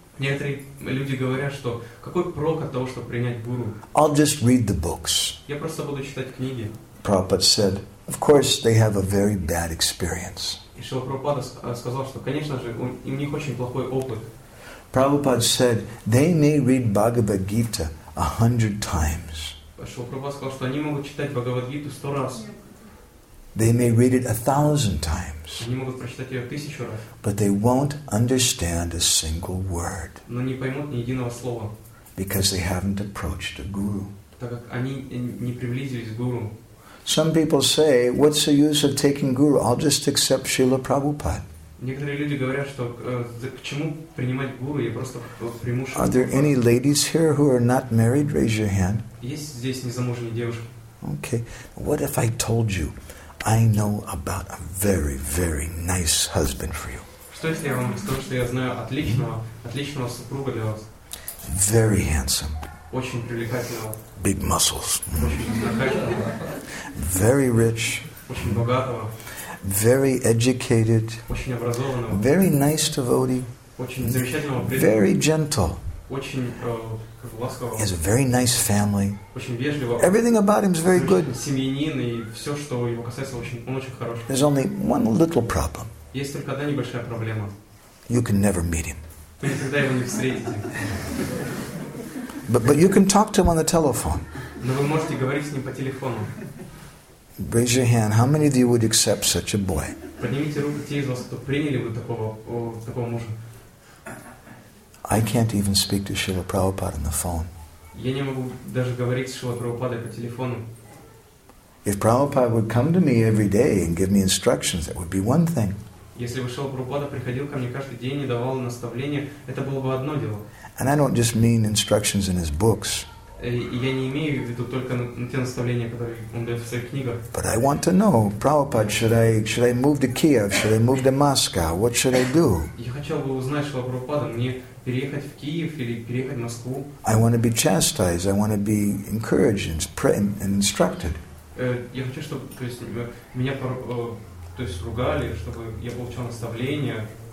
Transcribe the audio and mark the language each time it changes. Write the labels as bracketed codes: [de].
[en] I'll just read the books. Prabhupada said, of course they have a very bad experience. Prabhupada said, they may read Bhagavad Gita 100 times. [ru] Шрила Прабхупада сказал, что они могут читать Бхагавад-гиту 100 раз. [en] They may read it 1,000 times. [ru] Они могут прочитать ее 1,000 раз. [en] But they won't understand a single word. [ru] Но не поймут ни единого слова. [en] Because they haven't approached a guru. [ru] Так как они не приблизились к гуру. [en] Some people say, what's the use of taking guru? I'll just accept Srila Prabhupada. [ru] Некоторые люди говорят, что к чему принимать гуру, я просто приму Шрилу. [en] Are there any ladies here who are not married? Raise your hand. [ru] Есть здесь незамужние девушки? [en] Okay. What if I told you, I know about a very, very nice husband for you? [ru] Что если я вам скажу, что я знаю отличного супруга для вас? [en] Very handsome. [ru] Очень привлекательного. [en] Big muscles. [ru] Очень [en] Very rich. [ru] Очень богатого. [en] Very educated. [ru] Очень образованного. [en] Very nice devotee. [ru] Очень замечательного преданного. [en] Very gentle. [ru] Очень [en] He has a very nice family. [ru] Очень вежливого. [en] Everything about him is very good. [ru] Семьянин, и все, что его касается, он очень хороший. [en] There's only one little problem. [ru] Есть только одна небольшая проблема. [en] You can never meet him. [ru] Вы никогда его не встретите. [en] But you can talk to him on the telephone. [ru] Но вы можете говорить с ним по телефону. [en] Raise your hand. How many of you would accept such a boy? [ru] Поднимите руку те из вас, кто приняли бы такого мужа. [en] I can't even speak to Srila Prabhupada on the phone. [ru] Я не могу даже говорить с Шрилой Прабхупадой по телефону. [en] If Prabhupada would come to me every day and give me instructions, that would be one thing. [ru] Если бы Шрила Прабхупада приходил ко мне каждый день и давал наставления, это было бы одно дело. [en] And I don't just mean instructions in his books. [ru] Я не имею в виду только те наставления, которые он дает в своих книгах. [en] But I want to know, Prabhupada, should I move to Kiev? Should I move to Moscow? What should I do? [ru] Я хотел бы узнать Шрила Прабхупада, мне переехать в Киев или переехать в Москву? [en] I want to be chastised. I want to be encouraged and instructed. [ru] Я хочу, чтобы, то есть, меня ругали, чтобы я получал наставления.